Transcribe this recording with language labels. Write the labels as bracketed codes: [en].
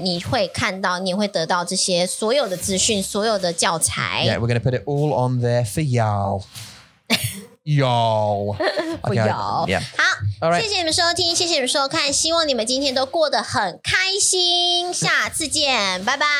[zh] 你会看到,你会得到这些所有的资讯,所有的教材. [en] Yeah, we're going to put it all on there for y'all. Y'all. For y'all. Yeah. [zh] 好,谢谢你们收听,谢谢你们收看,希望你们今天都过得很开心。下次见,拜拜。